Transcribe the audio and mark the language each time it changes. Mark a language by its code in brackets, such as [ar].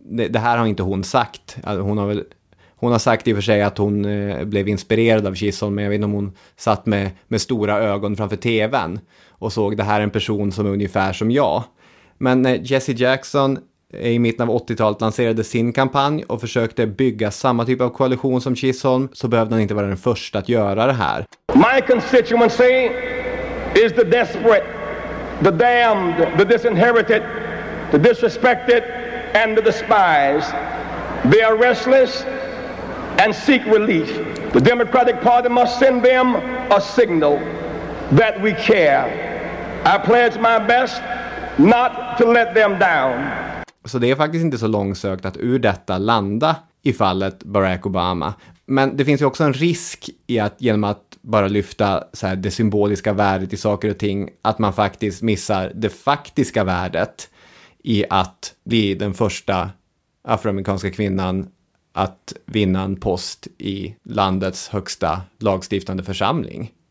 [sv] Det här har inte hon sagt. Hon har sagt i och för sig att hon blev inspirerad av Chisholm, men jag vet inte om hon satt med stora ögon framför tvn och såg det här en person som är ungefär som jag. Men Jesse Jackson i mitten av 80-talet lanserade sin kampanj och försökte bygga samma typ av koalition som Chisholm, så behövde han inte vara den första att göra det här. [en] My constituency is the desperate, the damned, the disinherited, the disrespected and the despised. They are restless and seek relief. The Democratic Party must send them a signal that we care. I pledge my best not to let them down. [sv] Så det är faktiskt inte så långsökt att ur detta landa i fallet Barack Obama. Men det finns ju också en risk i att genom att bara lyfta så här, det symboliska värdet i saker och ting, att man faktiskt missar det faktiska värdet i att bli den första afroamerikanska kvinnan att vinna en post i landets högsta lagstiftande församling.